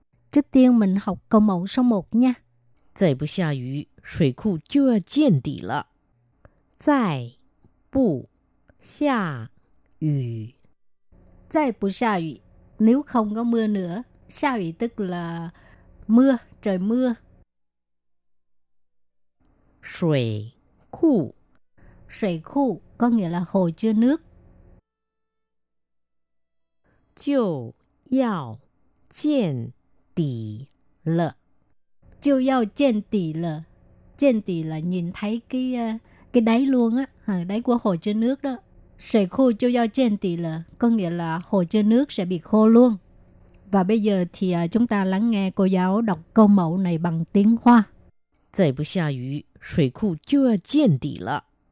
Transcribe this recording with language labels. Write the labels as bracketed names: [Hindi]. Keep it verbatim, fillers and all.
[Vietnamese] Trước tiên mình học câu mẫu số một nha. [Chinese] 再不下雨，水库就要见底了。再不下雨. 再不下雨, [Vietnamese] nếu không có mưa nữa. Sao ý tức là mưa, trời mưa. [Chinese] 水库. 水库 [Vietnamese] có nghĩa là hồ chứa nước. [Chinese] 就要见底了. 就要见底了. 见底 [Vietnamese] là nhìn thấy cái cái đáy luôn á, à, đáy của hồ chứa nước đó. [Chinese] 水库就要见底了, [Vietnamese] có nghĩa là hồ chứa nước sẽ bị khô luôn. Và bây giờ thì chúng ta lắng nghe cô giáo đọc câu mẫu này bằng tiếng Hoa. [Chinese] 再不下雨，水库就要见底了.